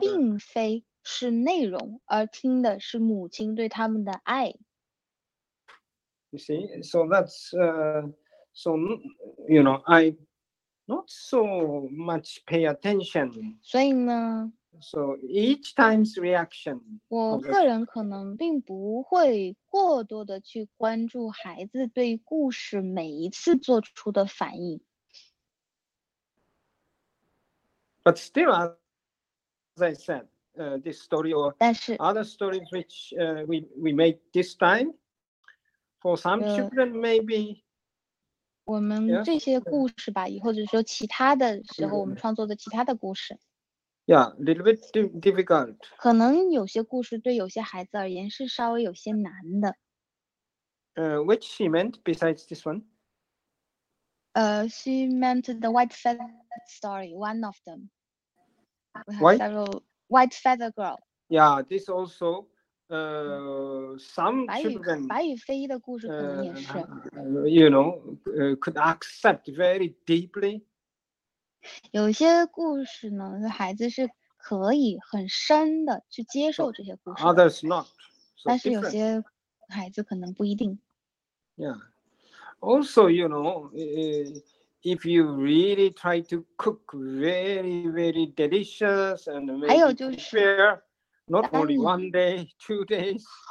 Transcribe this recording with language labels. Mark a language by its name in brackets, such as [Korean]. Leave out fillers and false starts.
[Chinese] 并非是内容, 而听的是母亲对他们的爱。 [English] You see, so that's so, you know, I not so much pay attention. [Chinese] 所以呢, [English] so each time's reaction, [Chinese] 我个人可能并不会过多的去关注孩子对故事每一次做出的反应。 [English] But still, as I said, this story or [Chinese] 但是, [English] other stories which we make this time, for some children, maybe. [Chinese] 我们这些故事吧, 或者说其他的时候我们创作的其他的故事。 [English] Yeah, a little bit difficult. [Chinese] 可能有些故事对有些孩子而言是稍微有些难的。 [English] Which she meant besides this one? She meant the white feather story, one of them. White? White feather girl. Yeah, this also, some [Chinese] 白羽, [English] children, [Chinese] 白羽飞的故事可能也是, [English] you know, could accept very deeply. [Chinese] 有些故事呢，孩子是可以很深的去接受这些故事的。 [English] So, others not. So [Chinese] 但是有些孩子可能不一定。 [English] Yeah. Also, you know, if you really try to cook very, very delicious and make it fair, not only one day, 2 days.